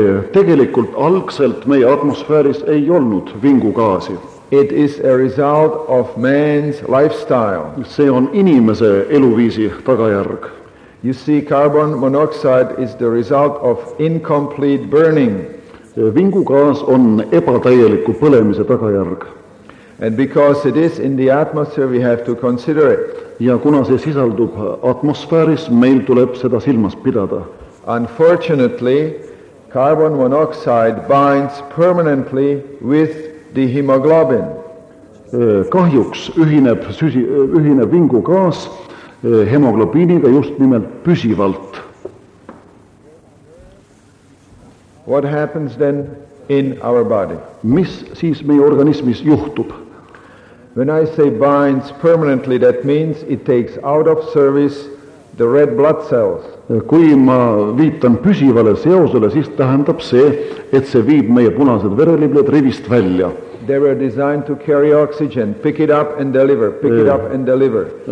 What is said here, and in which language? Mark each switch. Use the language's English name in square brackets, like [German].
[Estonian] Tegelikult algselt meie atmosfääris ei olnud vingugaasi. [English] It is a result of man's lifestyle. [Estonian] See on inimese eluviisi tagajärg. [English] You see, carbon monoxide is the result of incomplete burning. [Estonian] Vingugaas on ebatäieliku põlemise tagajärg. [English] And because it is in the atmosphere, we have to consider it. [Estonian] Ja kuna see sisaldub atmosfääris, meil tuleb seda silmas pidada. [English] Unfortunately, carbon monoxide binds permanently with the hemoglobin. [Estonian] Kahjuks ühineb vingugaas hemoglobiiniga just nimelt püsivalt. [English] What happens then in our body? [Estonian] Mis siis meie organismis juhtub? [English] When I say binds permanently, that means it takes out of service the red blood cells. [Estonian] Kui ma viitan püsivale seosele, siis tähendab see, et see viib meie punased vereliblad rivist välja. [English] They were designed to carry oxygen, pick it up and deliver, pick it up and deliver.